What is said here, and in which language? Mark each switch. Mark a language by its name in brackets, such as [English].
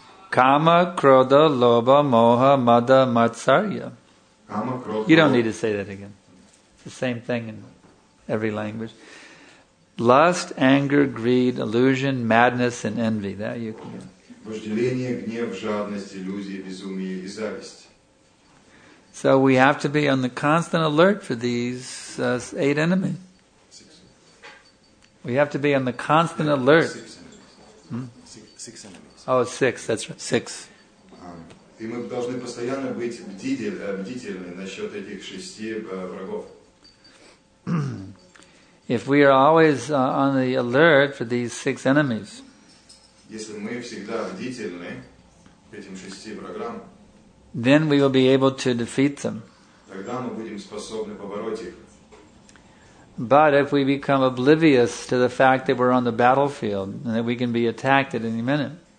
[Sanskrit] Кама, крода, лоба, моха, мада, матсарья. Кама, крода. [English] You don't need to say that again. It's the same thing in every language. Lust, anger, greed, illusion, madness, and envy. That you can get. [Russian] Вожделение, гнев, жадность, иллюзия, безумие и зависть. [English] So we have to be on the constant alert for these 8 enemies. We have to be on the constant alert. Six enemies. Oh, six, that's right. Six. [Russian] И мы должны постоянно быть бдительны насчет этих шести врагов. [English] If we are always on the alert for these 6 enemies. [Russian] Если мы всегда бдительны этим шести врагам. [English] Then we will be able to defeat them. [Russian] Тогда мы будем способны побороть их. [English] But if we become oblivious to the fact that we're on the battlefield and that we can be attacked at any minute.